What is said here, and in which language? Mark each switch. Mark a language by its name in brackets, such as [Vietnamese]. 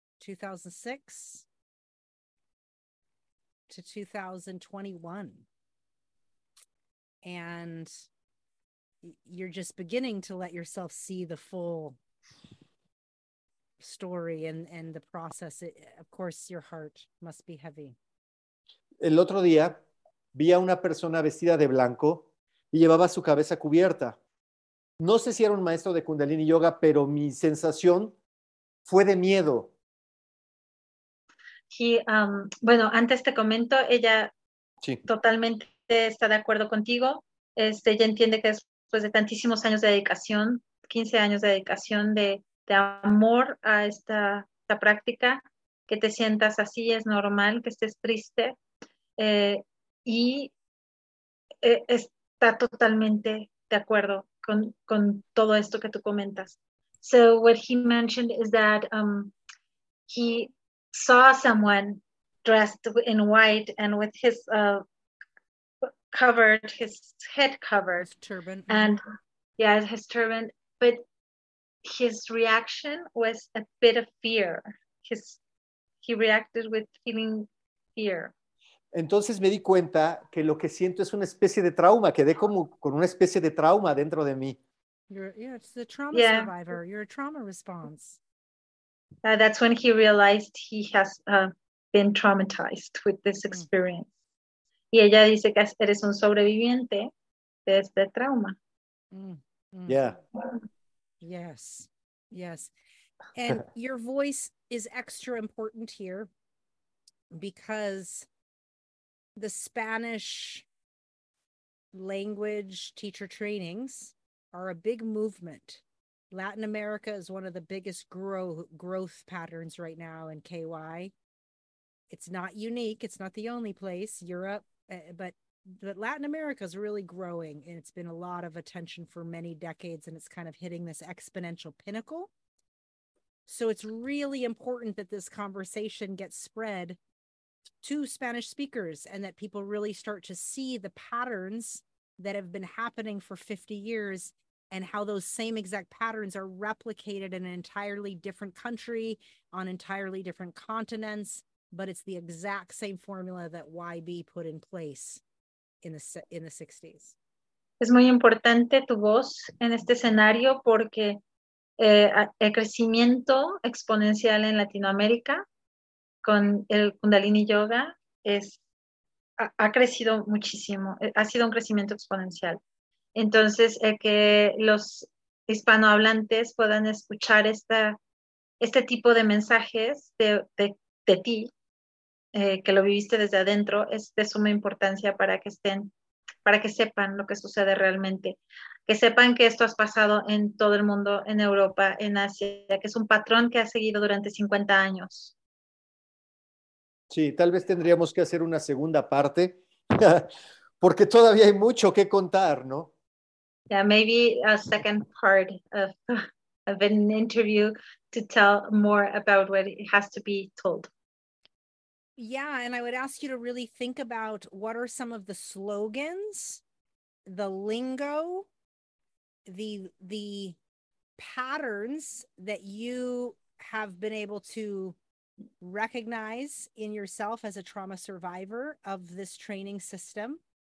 [English] 2006 to 2021. And you're just beginning to let yourself see the full story and the process. Of course, your heart must be heavy. [Spanish] El otro día vi a una persona vestida de blanco y llevaba su cabeza cubierta. No sé si era un maestro de Kundalini Yoga, pero mi sensación fue de miedo. Bueno, antes te comento, ella sí. Totalmente está de acuerdo contigo. Ella entiende que después de tantísimos años de dedicación, 15 años de dedicación de amor a esta práctica, que te sientas así, es normal que estés triste, y está totalmente de acuerdo con todo esto que tú comentas. [English] So what he mentioned is that he saw someone dressed in white and with his head covered. His turban. And yeah, his turban, but his reaction was a bit of fear. He reacted with feeling fear. [Spanish] Entonces me di cuenta que lo que siento es una especie de trauma. Quedé como con una especie de trauma dentro de mí. [English] It's the trauma survivor. You're a trauma response. That's when he realized he has been traumatized with this experience. [Spanish] Y ella dice que eres un sobreviviente de este trauma. [English] Yeah. Yes, yes. And your voice is extra important here because the Spanish language teacher trainings are a big movement. Latin America is one of the biggest growth patterns right now in KY. It's not unique. It's not the only place. Europe, but Latin America is really growing, and it's been a lot of attention for many decades, and it's kind of hitting this exponential pinnacle. So it's really important that this conversation gets spread to Spanish speakers and that people really start to see the patterns that have been happening for 50 years and how those same exact patterns are replicated in an entirely different country on entirely different continents. But it's the exact same formula that YB put in place in the 60s. [Spanish] Es muy importante tu voz en este escenario porque el crecimiento exponencial en Latinoamérica con el Kundalini Yoga ha crecido muchísimo. Ha sido un crecimiento exponencial. Entonces, que los hispanohablantes puedan escuchar este tipo de mensajes de ti, que lo viviste desde adentro, es de suma importancia para que sepan lo que sucede realmente. Que sepan que esto has pasado en todo el mundo, en Europa, en Asia, que es un patrón que has seguido durante 50 años. Sí, tal vez tendríamos que hacer una segunda parte, porque todavía hay mucho que contar, ¿no? [English] Yeah, maybe a second part of an interview to tell more about what it has to be told. Yeah, and I would ask you to really think about what are some of the slogans, the lingo, the patterns that you have been able to recognize in yourself as a trauma survivor of this training system.